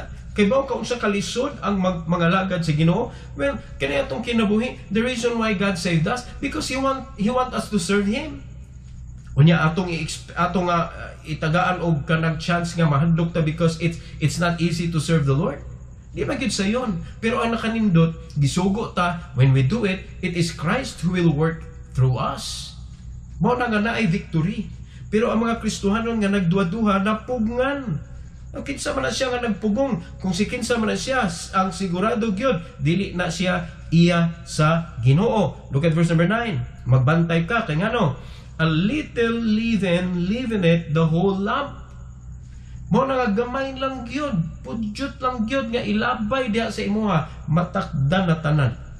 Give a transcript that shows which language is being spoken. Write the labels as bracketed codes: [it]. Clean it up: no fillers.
[ceb] Kay ba ka unsa kalisod ang mga lagad sa Ginoo? [en] Well, [ceb] kani atong kinabuhi, [en] the reason why God saved us because he want us to serve him. [ceb] Unya atong itagaan og kanang chance nga mahadlok ta [en] because it's not easy to serve the Lord. [ceb] Di ba gyud sayon? Pero ang nakanindot, gisugo ta [en] when we do it, it is Christ who will work through us. [ceb] Mao na nga naay victory. Pero ang mga Kristohanon nga nagduwa-duha, napugngan. Ang kinsa man na siya nga nagpugong. Kung si kinsa man na siya, ang sigurado gyud, dili na siya iya sa Ginoo. [en] Look at verse number 9. [ceb] Magbantay ka. Kaya nga no, [en] a little leaven leaveneth the whole lump. [ceb] Mao na nga gamay lang gyud, pudyot lang gyud, nga ilabay diha sa imuha, matakda na tanan.